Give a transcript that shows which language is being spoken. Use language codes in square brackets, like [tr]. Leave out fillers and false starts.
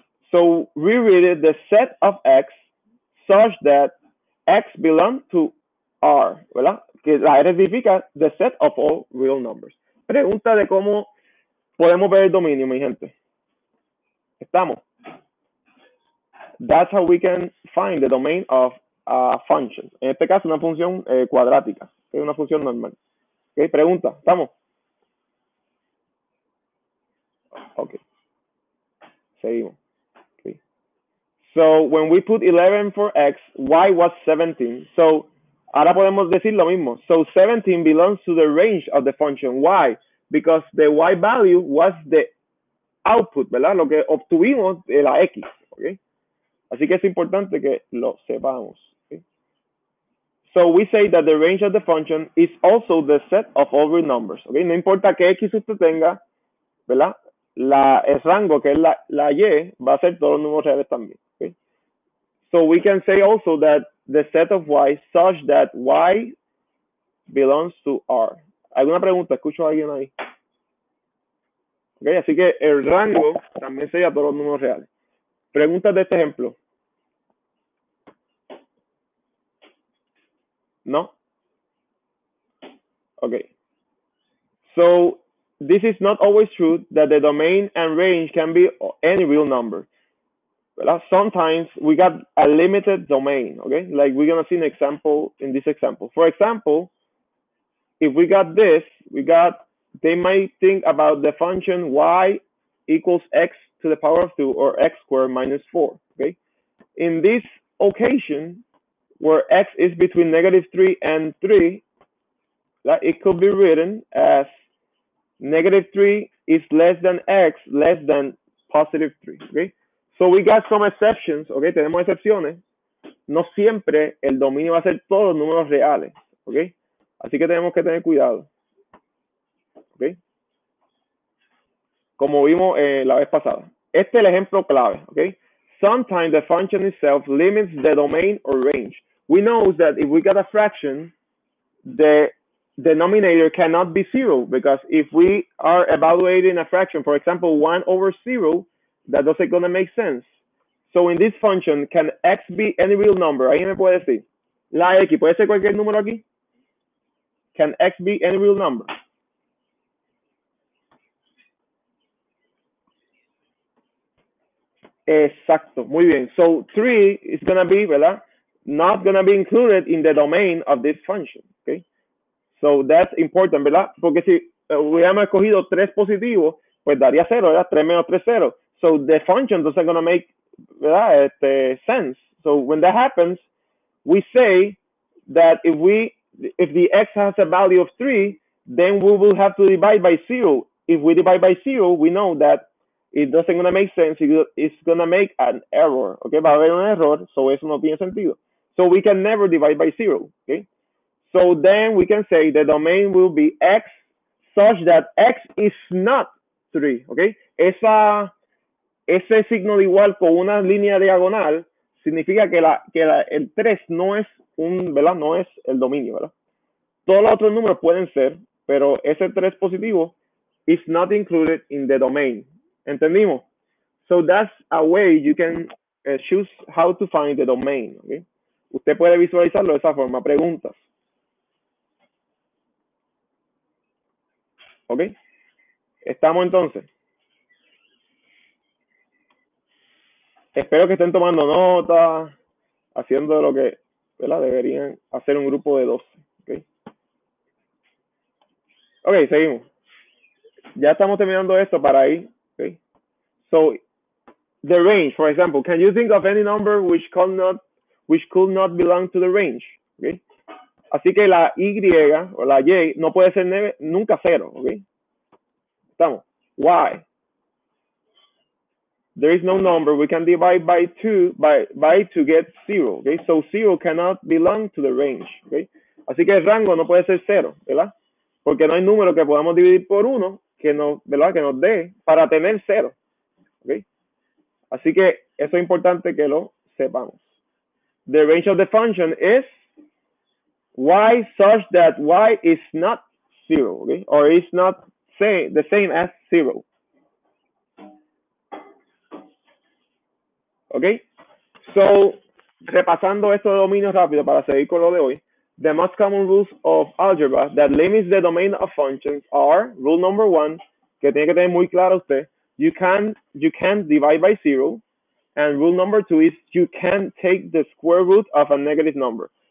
[en] So we read it, the set of X such that X belong to R, [es] ¿verdad? Que la R significa [en] the set of all real numbers. [es] Pregunta de cómo podemos ver el dominio, mi gente. Estamos. [en] That's how we can find the domain of a function. [es] En este caso, una función cuadrática. Es una función normal. Okay, pregunta. Estamos. [en] Ok. [es] Seguimos. [en] Okay. So, when we put 11 for X, Y was 17. [es] So, ahora podemos decir lo mismo. [en] So 17 belongs to the range of the function. Why? Because the y value was the output, [es] ¿verdad? Lo que obtuvimos de la x, ¿okay? Así que es importante que lo sepamos, ¿okay? [en] So we say that the range of the function is also the set of all real numbers, ¿okay? [es] No importa qué x usted tenga, ¿verdad? El rango, que es la y, va a ser todos los números reales también, ¿okay? [en] So we can say also that the set of Y such that Y belongs to R. [es] ¿Alguna pregunta? ¿Escucho a alguien ahí? Ok, así que el rango también sería todos los números reales. Preguntas de este ejemplo. No? [en] Okay. So this is not always true that the domain and range can be any real number. But sometimes we got a limited domain, okay? Like we're going to see an example in this example. For example, if we got this, we got, they might think about the function y equals x to the power of 2 or x squared minus 4, okay? In this occasion, where x is between negative 3 and 3, that it could be written as negative 3 is less than x less than positive 3, okay? So we got some exceptions, okay? [es] Tenemos excepciones. No siempre el dominio va a ser todos los números reales, okay? Así que tenemos que tener cuidado. Okay. Como vimos la vez pasada. Este es el ejemplo clave. [en] Okay. Sometimes the function itself limits the domain or range. We know that if we got a fraction, the denominator cannot be zero because if we are evaluating a fraction, for example, 1/0, that doesn't gonna make sense. So in this function, can x be any real number? [es] Ahí me puede decir. La x, ¿puede ser cualquier número aquí? [en] Can x be any real number? [es] Exacto, muy bien. [en] So 3 is going to be, [es] ¿verdad? [en] Not going to be included in the domain of this function, okay? So that's important, [es] ¿verdad? Porque si hubiéramos escogido 3 positivo, pues daría 0, ¿verdad? 3 menos 3, 0. [en] So the function doesn't going to make, [es] ¿verdad? [en] Sense. So when that happens, we say that if we, if the x has a value of 3, then we will have to divide by 0. If we divide by 0, we know that it doesn't gonna make sense. It's gonna make an error. Okay, [es] va a haber un error. [en] So [es] eso no tiene sentido. [en] So we can never divide by 0. Okay, so then we can say the domain will be x such that x is not 3. [es] Okay, ese signo de igual con una línea diagonal significa que el 3 no es un, ¿verdad? No es el dominio, ¿verdad? Todos los otros números pueden ser, pero ese 3 positivo [en] is not included in the domain. [es] ¿Entendimos? [en] So that's a way you can choose how to find the domain. [es] Okay? Usted puede visualizarlo de esa forma. Preguntas. ¿Ok? Estamos entonces. Espero que estén tomando nota, haciendo lo que, ¿verdad? Deberían hacer un grupo de 12. ¿Ok? Ok, seguimos. Ya estamos terminando esto para ahí. [en] So the range, for example, can you think of any number which could not belong to the range? Okay. [es] Así que la Y o la Y no puede ser nunca cero. Okay. Estamos. Why? [en] There is no number we can divide by two to get zero. Okay. So zero cannot belong to the range. Okay. [es] Así que el rango no puede ser cero, ¿verdad? Porque no hay número que podamos dividir por uno que nos, ¿verdad? Que nos dé para tener cero. Okay. Así que eso es importante que lo sepamos. [en] The range of the function is y such that y is not zero, okay? Or is not say the same as zero. Okay? So, [es] repasando esto de dominio rápido para seguir con lo de hoy, [en] the most common rules of algebra that limits the domain of functions are rule number one, [es] que tiene que tener muy claro usted, [en] you can divide by zero, and rule number two is you can take the square root of a negative number.